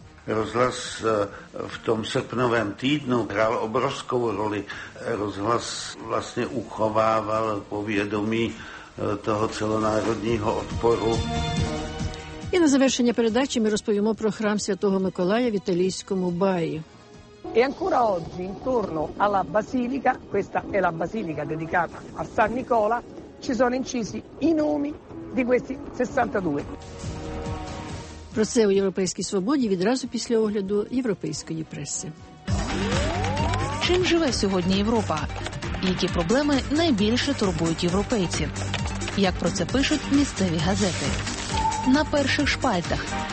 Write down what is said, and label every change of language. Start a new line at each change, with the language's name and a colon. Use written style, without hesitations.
Ukrainian: Розглас в тому серпневому тижні грав обов'язкову роль. Розглас, власне, уховував повідомі того цілонародного відпору. І на завершення передачі ми розповімо про храм Святого Миколая в італійському Баї.
Italian: E ancora oggi intorno alla basilica, questa è la basilica dedicata a San Nicola, ci sono incisi i nomi di questi 62.
Ukrainian: Про це у Європейській свободі відразу після огляду європейської преси. Чим живе сьогодні Європа? Які проблеми найбільше турбують європейців? Як про це пишуть місцеві газети? На перших шпальтах.